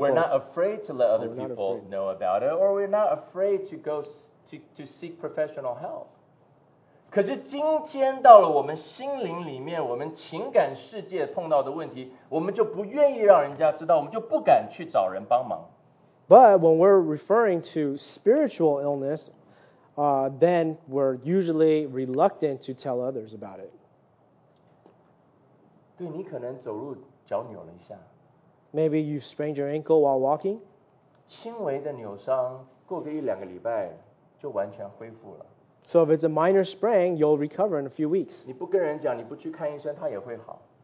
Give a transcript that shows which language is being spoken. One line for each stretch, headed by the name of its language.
English: We're not afraid to let other people know about it, or we're not afraid to go to seek professional help.
Chinese: 可是今天到了我们心灵里面，我们情感世界碰到的问题，我们就不愿意让人家知道，我们就不敢去找人帮忙。
English: But when we're referring to spiritual illness, then we're usually reluctant to tell others about it.
Chinese: 对，你可能走路脚扭了一下。
English: Maybe you sprained your ankle while walking.
Chinese: 轻微的扭伤，过个一两个礼拜就完全恢复了。
English: So if it's a minor sprain, you'll recover in a few weeks.
Chinese: 你不跟人讲，你不去看医生，它也会好。